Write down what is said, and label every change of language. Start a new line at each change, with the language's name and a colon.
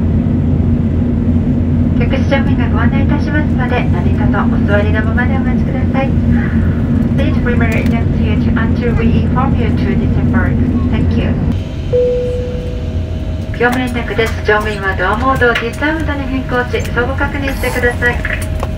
Japanese: 乗務員がご案内いたしますので、何かとお座りのままでお待ちください。
English: Please remain in your seat until we inform you to disembark. Thank you.
Japanese: 業務連絡です。乗務員はドアモードを実際モードに変更し、相互確認してください。